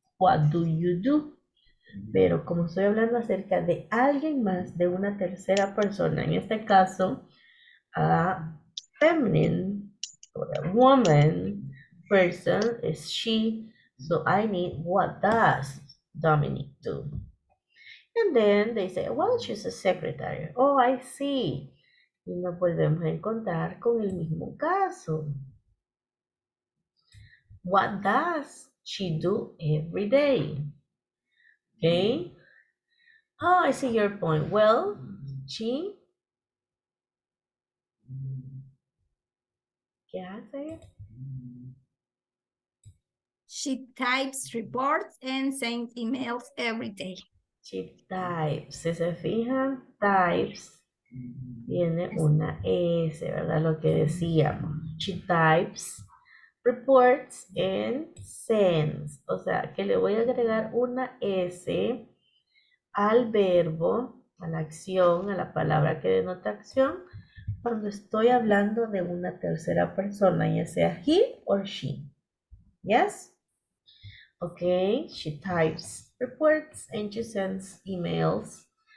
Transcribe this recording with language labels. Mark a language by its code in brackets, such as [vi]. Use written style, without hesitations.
[en] What do you do? [es] Pero como estoy hablando acerca de alguien más, de una tercera persona, en este caso, [en] a feminine, or a woman, person, is she. So I need, what does Dominic do? And then they say, well, she's a secretary. Oh, I see. [es] Y nos volvemos a encontrar con el mismo caso. [en] What does she do every day? Okay. Oh, I see your point. Well, she. [es] ¿Qué hace? [en] She types reports and sends emails every day. She types. [es] Si se fijan, types. Tiene una S, ¿verdad? Lo que decíamos. [en] She types reports and sends. [es] O sea, que le voy a agregar una S al verbo, a la acción, a la palabra que denota acción, cuando estoy hablando de una tercera persona, ya sea he or she. [en] ¿Yes? Ok, she types reports and she sends emails.